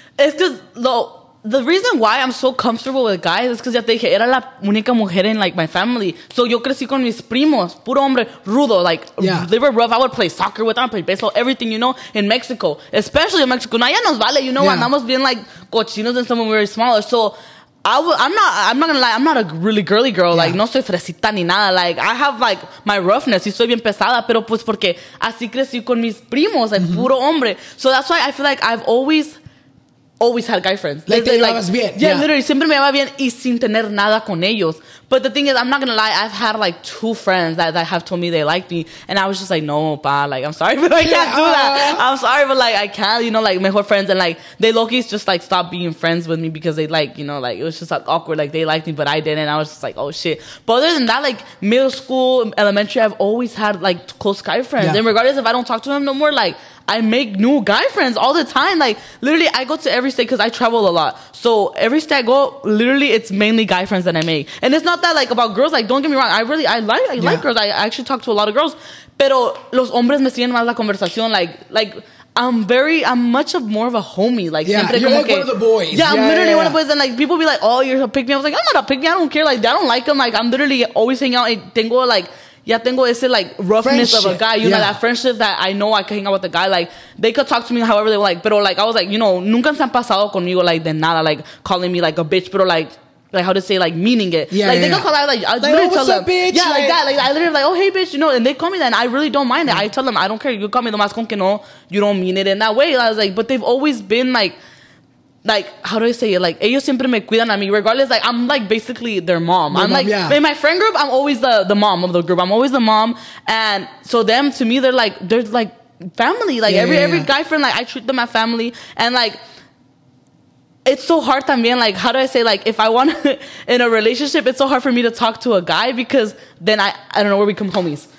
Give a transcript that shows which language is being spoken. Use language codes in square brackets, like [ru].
[es] Es que [en] the reason why I'm so comfortable with guys is because, [es] ya te dije, era la única mujer [en] in, like, my family. So, [es] yo crecí con mis primos, puro hombre, rudo, [en] like, yeah. They were rough. I would play soccer with them, play baseball, everything, you know, in Mexico. Especially in Mexico. Now, [es] ya nos vale, [en] you know, yeah. [es] Andamos [en] being, like, [es] cochinos [en] and someone when we were smaller. So, I'm not gonna lie, I'm not a really girly girl. Yeah. [es] Like, no soy fresita ni nada. [en] Like, I have, like, my roughness. [es] Y soy bien pesada, pero pues porque así crecí con mis primos, like, puro hombre. [en] So, that's why I feel like I've always had guy friends. Like, they like, bien. [es] Yeah, literally, siempre me va bien y sin tener nada con ellos. [en] But the thing is, I'm not gonna lie, I've had like two friends that have told me they liked me, and I was just like, no, pa, like, I'm sorry, but I can't do that. I'm sorry, but like, I can't, you know, like, mejor friends, and like, they lowkeys just like stopped being friends with me because they like, you know, like, it was just like awkward, like, they liked me, but I didn't, and I was just like, oh shit. But other than that, like, middle school, elementary, I've always had like close guy friends, yeah. And regardless if I don't talk to them no more, like, I make new guy friends all the time. Like, literally, I go to every state because I travel a lot. So every state I go, literally, it's mainly guy friends that I make. And it's not that, like, about girls. Like, don't get me wrong. I like girls. I actually talk to a lot of girls. [es] Pero los hombres me siguen más la conversación. [en] Like, I'm much more of a homie. Like, yeah, [es] siempre, [en] you're [es] como [en] like [es] que, [en] one of the boys. Yeah, I'm literally one of the boys. And like, people be like, oh, you're a pick me. I was like, I'm not a pick me. I don't care. Like, I don't like them. Like, I'm literally always hanging out. And tengo, like, [es] ya tengo ese, [en] like, roughness friendship. Of a guy. You know, that friendship that I know I can hang out with a guy. Like, they could talk to me however they were, like. Pero, like, I was like, you know, [es] nunca se han pasado conmigo, [en] like, [es] de nada. [en] Like, calling me, like, a bitch. Pero, like how to say, like, meaning it. Yeah, like, yeah. They could call out, like, I literally tell them. Up, bitch? Yeah, like that. Like, I literally, like, oh, hey, bitch, you know. And they call me that. And I really don't mind it. Yeah. I tell them, I don't care. You call me [es] lo más con que no. [en] You don't mean it in that way. I was like, but they've always been, like, how do I say it? Like, [es] ellos siempre me cuidan a mí. [en] Regardless, like, I'm, like, basically their mom. Yeah. In my friend group, I'm always the mom of the group. I'm always the mom. And so them, to me, they're, like, family. Like, every guy friend, like, I treat them as family. And, like, it's so hard también. Like, how do I say, like, if I want in a relationship, it's so hard for me to talk to a guy because then I don't know where we become homies.